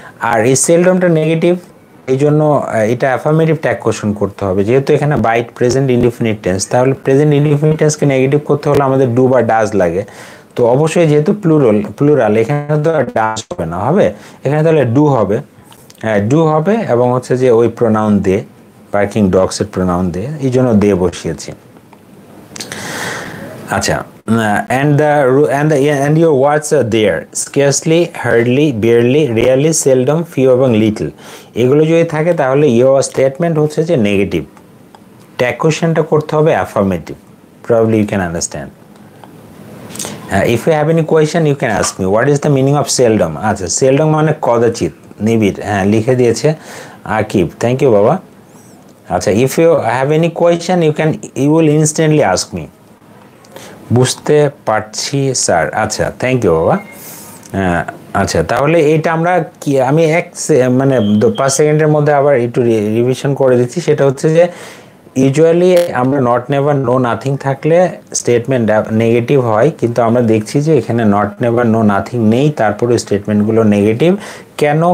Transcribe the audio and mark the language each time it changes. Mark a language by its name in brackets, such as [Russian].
[Bangla] আর এই সেলডমটা নেগেটিভ, এই জন্য এটা অ্যাফার্মেটিভ ট্যাগ কোশ্চেন করতে হবে, যেহেতু এখানে বাইট প্রেজেন্ট ইনডিফিনিট টেন্স, তাহলে প্রেজেন্ট ইনডিফিনিট টেন্সকে নেগেটিভ করতে হলে আমাদের ডু বা ডাজ লাগে, তো অবশ্যই যেহেতু প্লুরাল প্লুরাল এখানে তো ডাজ হবে না, হবে এখানে তাহলে ডু হবে, হ্যাঁ ডু হবে, এবং হচ্ছে যে ওই প্রোনাউন দে, বার্কিং ডগসের প্রোনাউন দে, এই জন্য দে বসিয়েছি। [English] আচ্ছা and your words are there, scarcely, hardly, barely, rarely, seldom, few এবং little, [Bangla] এগুলো যদি থাকে তাহলে [English] your statement [Bangla] হচ্ছে যে [English] negative, tag questionটা [Bangla] করতে হবে [English] affirmative, probably you can understand. If you have any question you can ask me, what is the meaning of seldom? [Bangla] আচ্ছা seldom মানে কদাচিত, নিবিড়, হ্যাঁ লিখে দিয়েছে আকিব, [English] thank you [Bangla] বাবা। [English] আচ্ছা if you have any question you will instantly ask me, [Bangla] বুঝতে পারছি স্যার, আচ্ছা [English] Thank you বাবা। [Bangla] আচ্ছা তাহলে এইটা আমরা কি, আমি এক মানে পাঁচ সেকেন্ডের মধ্যে আবার একটু রিভিশন করে দিচ্ছি, সেটা হচ্ছে যে ইউজুয়ালি আমরা নট নেভার নো নাথিং থাকলে স্টেটমেন্ট নেগেটিভ হয়, কিন্তু আমরা দেখছি যে এখানে নট নেভার নো নাথিং নেই তারপরে স্টেটমেন্টগুলো নেগেটিভ, কেন?